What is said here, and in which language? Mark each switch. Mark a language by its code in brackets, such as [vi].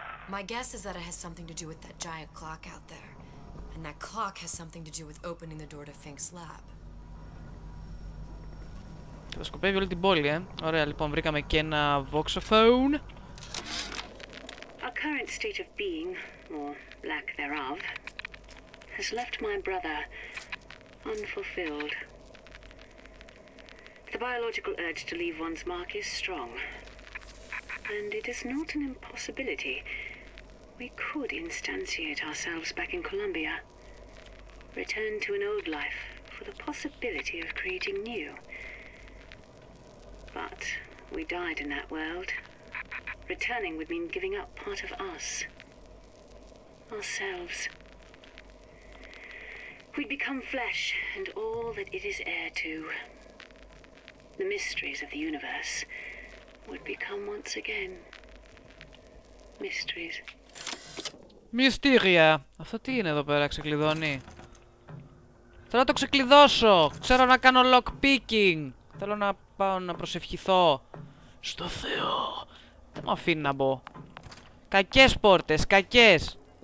[en] My guess is that it has something to do with that giant clock out there. And that clock has something to do with opening the door to Fink's lab. [el] Θα σκοπεύει όλη την πόλη, ε. Ωραία, λοιπόν, βρήκαμε και ένα voxophone. [en] A current state of being, or lack thereof, has left my brother unfulfilled. The biological urge to leave one's mark is strong. And it is not an impossibility. We could instantiate ourselves back in Columbia. Return to an old life for the possibility of creating new. But we died in that world. Returning would mean giving up part of us. Ourselves. We'd become flesh and all that it is heir to. The mysteries of the universe would become once again. Mysteries. [el] Μυστήρια! Αυτό τι είναι εδώ πέρα, ξεκλειδώνει? Θέλω να το ξεκλειδώσω! Ξέρω να κάνω lockpicking! Θέλω να πάω να προσευχηθώ στο Θεό! Δεν μου αφήνει να μπω. Κακές πόρτες, κακές!